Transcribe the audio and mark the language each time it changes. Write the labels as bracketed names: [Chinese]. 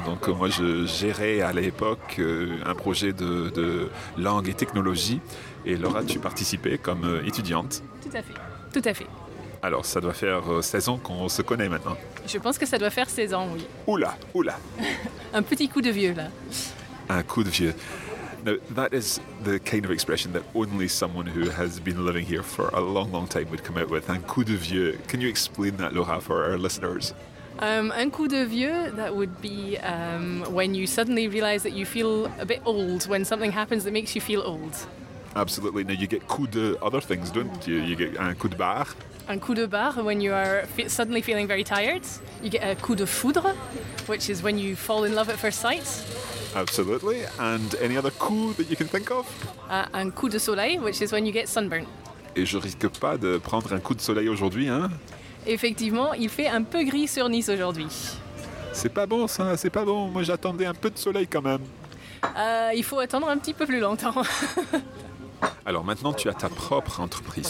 [French] Donc, moi, je gérais à l'époque un projet de langue et technologie. Et Laura, tu participais comme étudiante. Tout à fait, tout à fait. Alors, ça doit faire 16 ans qu'on se connaît maintenant. Je pense que ça doit faire 16 ans, oui. Oula, oula. Un petit coup de vieux, là. Un coup de vieux. [English] Now, that is the kind of expression that only someone who has been living here for a long, long time would come out with. Un coup de vieux. Can you explain that, Laura, for our listeners? Un coup de vieux, that would be when you suddenly realize that you feel a bit old, when something happens that makes you feel old. Absolutely. Now, you get coup de other things, don't you? You get un coup de barre. Un coup de barre, when you are suddenly feeling very tired. You get a coup de foudre, which is when you fall in love at first sight. Absolutely. And any other coup that you can think of? Un coup de soleil, which is when you get sunburned. [French] Et je risque pas de prendre un coup de soleil aujourd'hui, hein? Effectivement, il fait un peu gris sur Nice aujourd'hui. C'est pas bon, ça, c'est pas bon. Moi, j'attendais un peu de soleil quand même. Il faut attendre un petit peu plus longtemps. Alors maintenant, tu as ta propre entreprise.